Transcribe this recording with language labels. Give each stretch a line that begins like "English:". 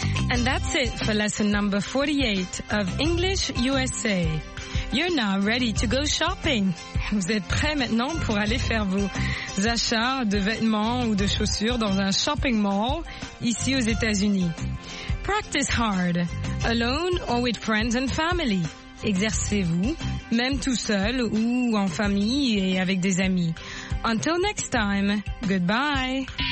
English: And that's it for lesson number 48 of English USA. You're now ready to go shopping.
French: Vous êtes prêts maintenant pour aller faire vos achats de vêtements ou de chaussures dans un shopping mall ici aux États-Unis.
English: Practice hard, alone or with friends and family.
French: Exercez-vous, même tout seul ou en famille et avec des amis.
English: Until next time, goodbye.